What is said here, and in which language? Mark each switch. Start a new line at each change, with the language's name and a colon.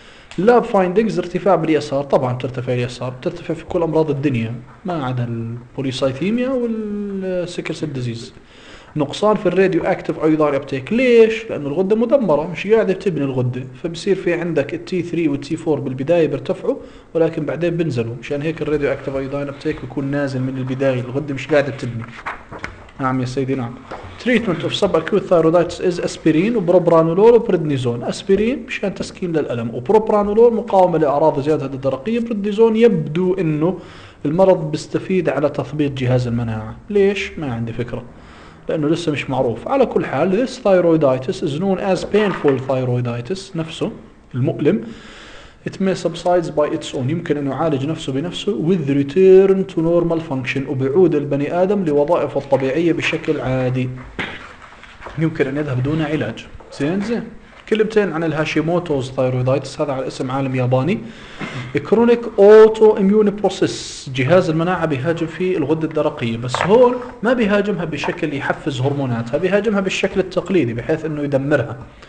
Arabic: lab findings، ارتفاع باليسار، طبعا ترتفع اليسار، ترتفع في كل امراض الدنيا ما عدا البوليسايثيميا والسيكل سيل ديزيز. نقصان في الراديو اكتيف ايودين ابتيك، ليش؟ لانه الغده مدمره مش قاعده بتبني الغده، فبصير في عندك التي 3 والتي 4 بالبدايه بيرتفعوا ولكن بعدين بنزلوا، مشان هيك الراديو اكتيف ايودين ابتيك بيكون نازل من البدايه، الغده مش قاعده بتبني. نعم يا سيدي نعم.
English: treatment of subacute thyroiditis is aspirin
Arabic: وبروبرانولول وبريدنيزون. aspirin مشان تسكين للألم، وبروبرانولول مقاومة لأعراض زيادة الدرقية، بريدنيزون يبدو إنه المرض بيستفيد على تثبيط جهاز المناعة، ليش؟ ما عندي فكرة، لأنه لسه مش معروف. على كل حال
English: this thyroiditis is known as painful thyroiditis،
Arabic: نفسه المؤلم.
English: it may subside by its own،
Arabic: يمكن أن يعالج نفسه بنفسه.
English: with return to normal function،
Arabic: وبعود البني آدم لوظائفه الطبيعية بشكل عادي، يمكن أن يذهب دون علاج. زين زين. كلمتين عن الهاشيموتوز thyroiditis، هذا على اسم عالم ياباني.
English: chronic autoimmune process،
Arabic: جهاز المناعة بيهاجم في الغدة الدرقية، بس هون ما بيهاجمها بشكل يحفز هرموناتها، بيهاجمها بالشكل التقليدي بحيث أنه يدمرها.